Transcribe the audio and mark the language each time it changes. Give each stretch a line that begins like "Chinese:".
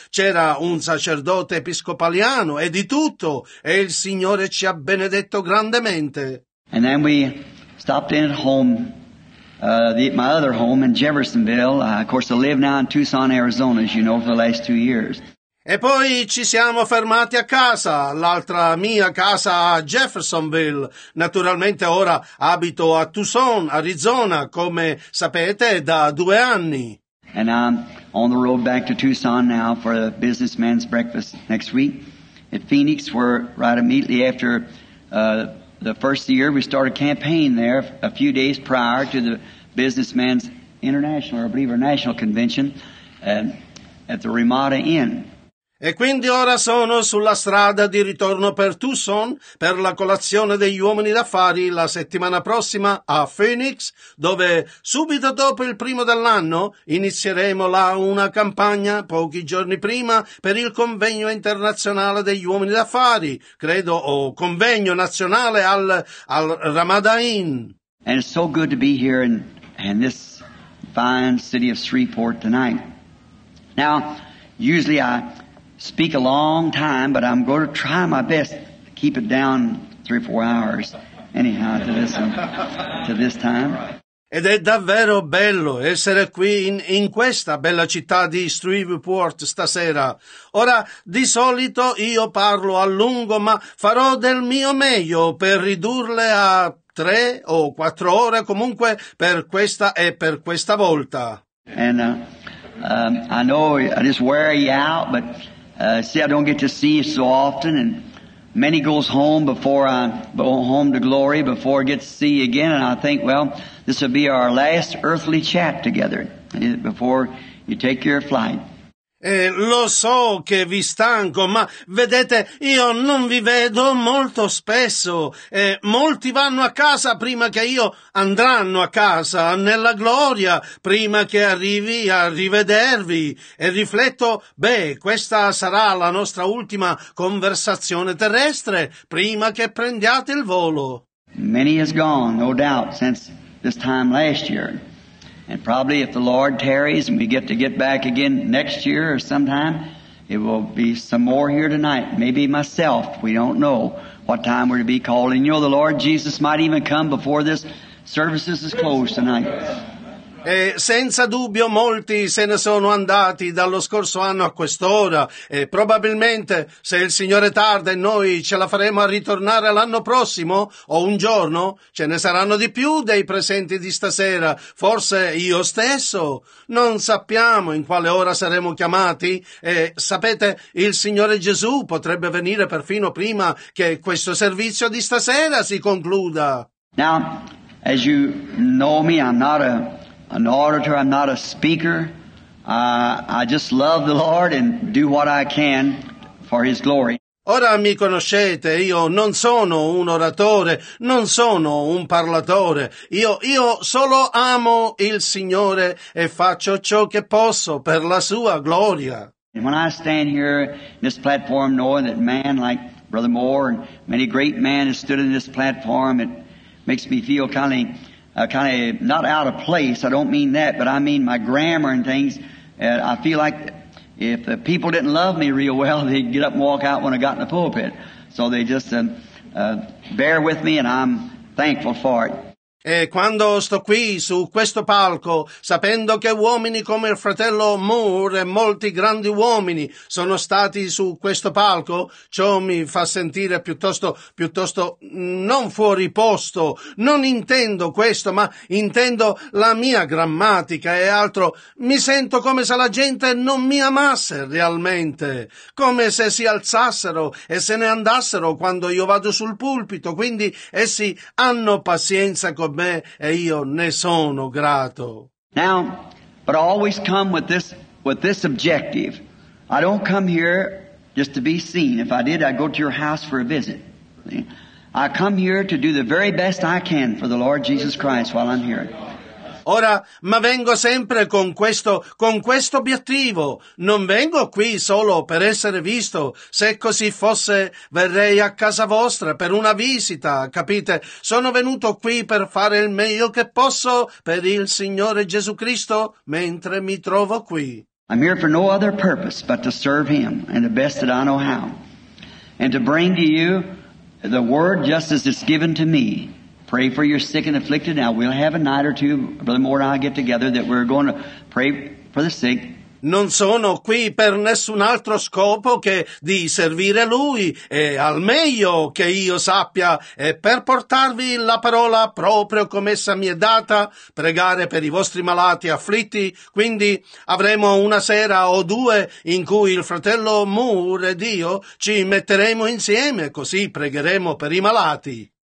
Italian: C'era un sacerdote episcopaliano e di tutto e il Signore ci ha benedetto grandemente.
English: And then we stopped in at home, my other home in Jeffersonville. Of course, I live now in Tucson, Arizona, as you know, for the last 2 years.
Italian: E poi ci siamo fermati a casa, l'altra mia casa a Jeffersonville. Naturalmente ora abito a Tucson, Arizona, come sapete, da 2 anni.
English: And I'm on the road back to Tucson now for a businessman's breakfast next week. At Phoenix, we're right immediately after the first year. We started a campaign there a few days prior to the businessman's international, or I believe, our national convention at the Ramada Inn.
Italian: E quindi ora sono sulla strada di ritorno per Tucson per la colazione degli uomini d'affari la settimana prossima a Phoenix, dove subito dopo il primo dell'anno inizieremo là una campagna pochi giorni prima per il convegno internazionale degli uomini d'affari, credo, o convegno nazionale al Ramada Inn.
English: And it's so good to be here in this fine city of Shreveport tonight. Now, usually I speak a long time, but I'm going to try my best to keep it down 3 or 4 hours anyhow to this time.
Italian: Ed è davvero bello essere qui in questa bella città di Shreveport stasera. Ora, di solito io parlo a lungo, ma farò del mio meglio per ridurle a 3 o 4 ore comunque per questa e per questa volta.
English: And I know I just wear you out, but see, I don't get to see you so often, and many goes home before I go home to glory, before I get to see you again, and I think, well, this will be our last earthly chat together, before you take your flight.
Italian: Lo so che vi stanco, ma vedete, io non vi vedo molto spesso. Molti vanno a casa prima che io andranno a casa, nella gloria, prima che arrivi a rivedervi. E rifletto, beh, questa sarà la nostra ultima conversazione terrestre, prima che prendiate il volo.
English: Many has gone, no doubt, since this time last year. And probably if the Lord tarries and we get to get back again next year or sometime, it will be some more here tonight. Maybe myself, we don't know what time we're to be calling. You know, the Lord Jesus might even come before this service is closed tonight.
Italian: E senza dubbio molti se ne sono andati dallo scorso anno a quest'ora e probabilmente se il Signore tarda e noi ce la faremo a ritornare l'anno prossimo o un giorno ce ne saranno di più dei presenti di stasera, forse io stesso, non sappiamo in quale ora saremo chiamati e sapete il Signore Gesù potrebbe venire perfino prima che questo servizio di stasera si concluda.
English: Now, as you know me, I'm not an auditor, I'm not a speaker. I just love the Lord and do what I can for His glory.
Italian: Ora mi conoscete, io non sono un oratore, non sono un parlatore. Io solo amo il Signore e faccio ciò che posso per la Sua gloria.
English: And when I stand here in this platform, knowing that man like Brother Moore and many great men have stood in this platform, it makes me feel kind of not out of place, I don't mean that, but I mean my grammar and things. I feel like if the people didn't love me real well, they'd get up and walk out when I got in the pulpit. So they just bear with me and I'm thankful for it.
Italian: E quando sto qui su questo palco, sapendo che uomini come il fratello Moore e molti grandi uomini sono stati su questo palco, ciò mi fa sentire piuttosto non fuori posto. Non intendo questo, ma intendo la mia grammatica e altro. Mi sento come se la gente non mi amasse realmente, come se si alzassero e se ne andassero quando io vado sul pulpito, quindi essi hanno pazienza con me e io ne sono grato.
English: Now, but I always come with this objective. I don't come here just to be seen. If I did, I'd go to your house for a visit. I come here to do the very best I can for the Lord Jesus Christ while I'm here.
Italian: Ora, ma vengo sempre con questo obiettivo. Non vengo qui solo per essere visto. Se così fosse, verrei a casa vostra per una visita, capite? Sono venuto qui per fare il meglio che posso per il Signore Gesù Cristo mentre mi trovo qui.
English: I'm here for no other purpose but to serve Him and the best that I know how. And to bring to you the word just as it's given to me. Pray for your sick and afflicted. Now, we'll have a night or two, Brother Moore and I get together, that we're going to pray for the sick
Italian: Non sono qui per nessun altro scopo che di servire Lui, e al meglio che io sappia, e per portarvi la parola proprio come essa mi è data, pregare per i vostri malati afflitti. Quindi avremo una sera o due in cui il fratello Moore ed io ci metteremo insieme, così pregheremo per i malati.